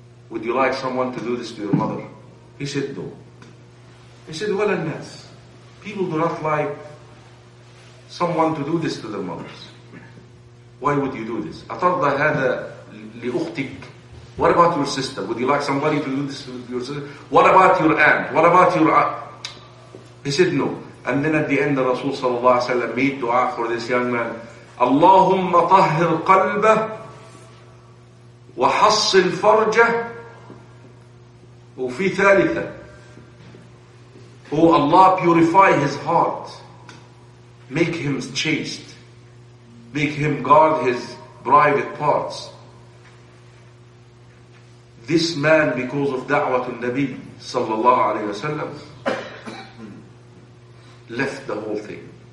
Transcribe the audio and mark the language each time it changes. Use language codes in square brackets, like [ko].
[en] Would you like someone to do this to your mother? He said, no. He said, well, الناس, people do not like someone to do this to their mothers. Why would you do this? [ar] أَتَرْضَ هَذَا لِأُخْتِكَ? [en] What about your sister? Would you like somebody to do this to your sister? What about your aunt? What about your aunt? He said, no. And then at the end, the Rasul sallallahu alayhi wa sallam made dua for this young man. [ar] اللهم طهر قلبه وحصل فرجه وفي ثالثة. [en] Oh Allah, purify his heart. Make him chaste. Make him guard his private parts. This man, because of da'watul Nabi sallallahu alayhi wa sallam, left the whole thing.